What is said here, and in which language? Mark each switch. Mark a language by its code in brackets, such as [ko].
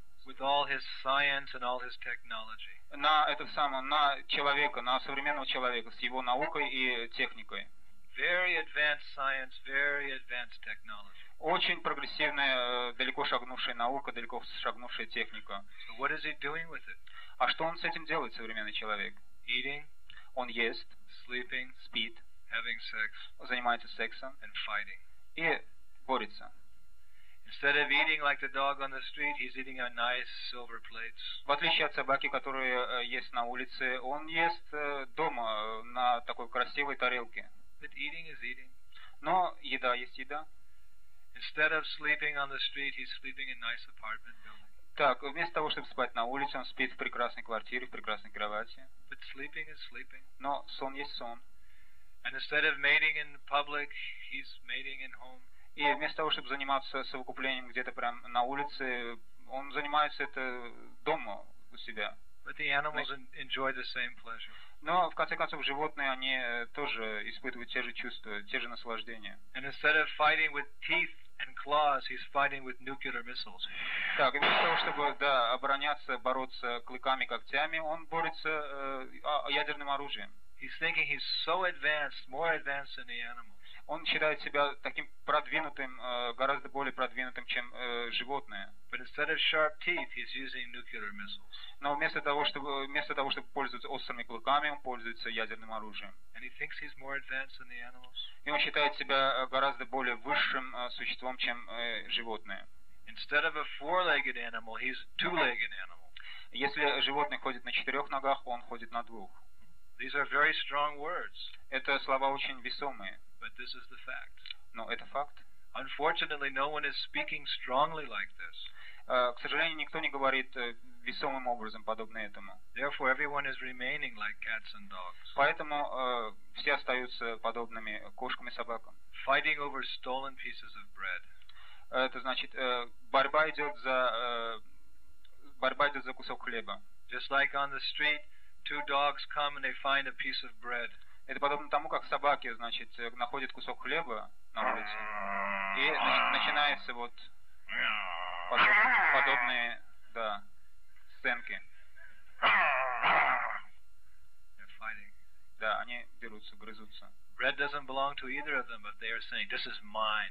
[en] with all his science and all his technology. [ru] На это самое, на человека, на современного человека с его наукой и техникой. [en] Very advanced science, very advanced technology. [ru] Очень прогрессивная, далеко шагнувшая наука, далеко шагнувшая техника. [en] So what is he doing with it? [ru] А что он с этим делает, современный человек? [en] Eating. [ru] Он ест. [en] Sleeping. [ru] Спит. [en] Having sex. [ru] Занимается сексом. [en] And fighting. [ru] И борется. [en] Instead of eating like the dog on the street, he's eating on nice silver plates. [ru] В отличие от собаки, которую ест на улице, он ест дома на такой красивой тарелке. [en] But eating is eating. [ru] Но еда есть еда. [en] Instead of sleeping on the street, he's sleeping in nice apartment building. [ru] Так, вместо того, чтобы спать на улице, он спит в прекрасной квартире, в прекрасной кровати. [en] But sleeping is sleeping. [ru] Но сон есть сон. [en] And instead of mating in public, he's mating in home. [ru] И вместо того, чтобы заниматься совокуплением где-то прям на улице, он занимается это дома у себя. [en] But the animals enjoy the same pleasure. [ru] Но в конце концов животные они тоже испытывают те же чувства, те же наслаждения. [en] And instead of fighting with teeth and claws, he's fighting with nuclear missiles. [ru] Так, вместо того, чтобы да, обороняться, бороться клыками, когтями, он борется ядерным оружием. [en] He's thinking he's so advanced, more advanced than the animals. [ru] Он считает себя таким продвинутым, гораздо более продвинутым, чем животное. [en] But instead of sharp teeth, he's using nuclear missiles. [ru] Но вместо того, чтобы пользоваться острыми клыками, он пользуется ядерным оружием. [en] And he thinks he's more advanced than the animals. [ru] И он считает себя гораздо более высшим существом, чем животное. [en] Instead of a four-legged animal, he's a two-legged animal. [ru] Если животное ходит на четырех ногах, он ходит на двух. [en] These are very strong words. [ru] Это слова очень весомые. [en] But this is the fact. [ru] Но это факт. [en] Unfortunately, no one is speaking strongly like this. [ru] К сожалению, никто не говорит весомым образом подобно этому. [en] Therefore, everyone is remaining like cats and dogs. [ru] Поэтому все остаются подобными кошкам и собакам. [en] Fighting over stolen pieces of bread. [ru] Это значит борьба идет за кусок хлеба. [en] Just like on the street, two dogs come and they find a piece of bread. [ru] Это подобно тому, как собаки, значит, находят кусок хлеба на улице, и начинаются вот подобные, да, сценки. [en] They're fighting. [ru] Да, они дерутся, грызутся. [en] Bread doesn't belong to either of them, but they are saying, "This is mine.